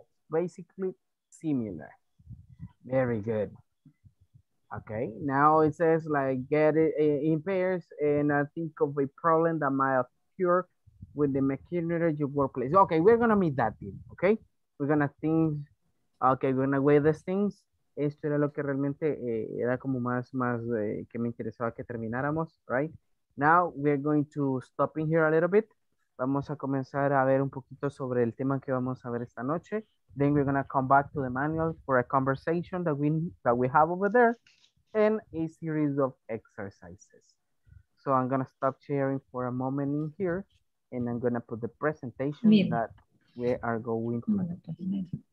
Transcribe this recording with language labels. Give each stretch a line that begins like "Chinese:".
English: Basically similar. Very good. Okay, now it says like get it in pairs and think of a problem that might occur with the machinery at your workplace. Okay, we're gonna meet that team. Okay, we're gonna think, okay, we're gonna weigh these things
Spanish: Esto era lo que realmente era como más que me interesaba que termináramos, right?
English: Now we're going to stop in here a little bit.
Spanish: Vamos a comenzar a ver un poquito sobre el tema que vamos a ver esta noche.
English: Then we're going to come back to the manual for a conversation that we have over there and a series of exercises. So I'm going to stop sharing for a moment in here and I'm going to put the presentation that we are going to.